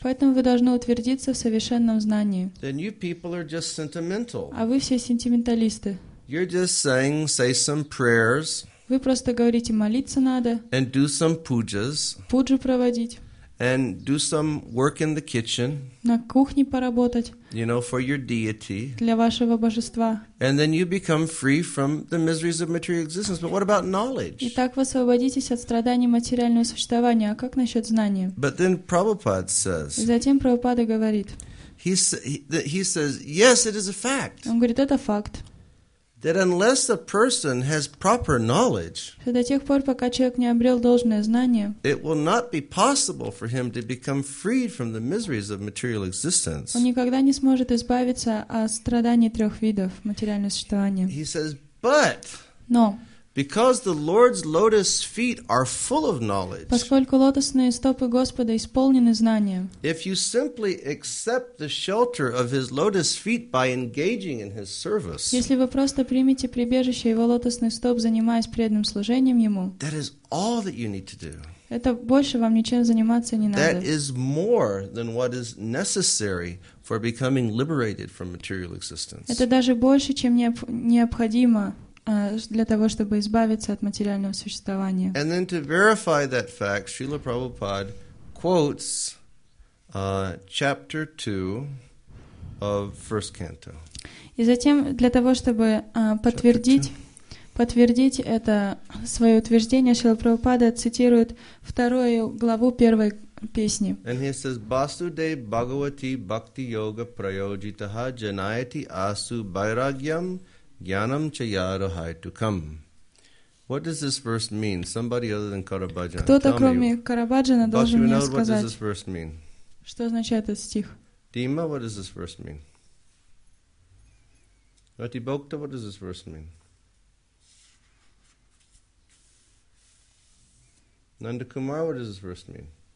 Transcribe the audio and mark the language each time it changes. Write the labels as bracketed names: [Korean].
[Russian] Поэтому вы должны утвердиться в совершенном знании. [English] Then you people are just sentimental. [Russian] А вы все сентименталисты. [English] You're just saying, say some prayers. [Russian] Вы просто говорите, молиться надо. [English] And do some pujas. [Russian] Пуджу проводить. [English] And do some work in the kitchen. [Russian] На кухне поработать. [English] You know, for your deity. [Russian] Для вашего божества. [English] And then you become free from the miseries of material existence. But what about knowledge? [Russian] И так вы освободитесь от страданий материального существования. А как насчет знания? [English] But then Prabhupada says. [Russian] Затем Прабхупада говорит. [English] He says, yes, it is a fact. [Russian] Он говорит, это факт. [English] That unless a person has proper knowledge, [Russian] что до тех пор, пока человек не обрел должное знание, [English] it will not be possible for him to become freed from the miseries of material existence. [Russian] Он никогда не сможет избавиться от страданий трех видов материального существования. [English] He says, but no. Because the Lord's lotus feet are full of knowledge. [Russian] Поскольку лотосные стопы Господа исполнены знанием. [English] If you simply accept the shelter of His lotus feet by engaging in His service. [Russian] Если вы просто примете прибежище Его лотосных стоп, занимаясь преданным служением Ему. [English] That is all that you need to do. [Russian] Это больше вам ничем заниматься не надо. [English] That is more than what is necessary for becoming liberated from material existence. [Russian] Это даже больше, чем необходимо. Для того, чтобы избавиться от материального существования. [English] And then to verify that fact, Srila Prabhupada quotes chapter 2 of First Canto. [Russian] И затем, для того, чтобы подтвердить это свое утверждение, Шрила Прабхупада цитирует вторую главу первой песни. [English] And he says, [Sanskrit] Basude Bhagavati Bhakti Yoga Prayojitaha Janayati Asu Bairagyam Gyanam chayaruhai to come. [English] What does this verse mean? Somebody other than Karabhajan. [Russian] Кто-то кроме Карабаджана должен мне сказать. [English] What does this verse mean? [Russian] Что означает этот стих? [English] Дима, what does this verse mean? Ратибокта, what does this verse mean? Нандакумар, what does this verse mean?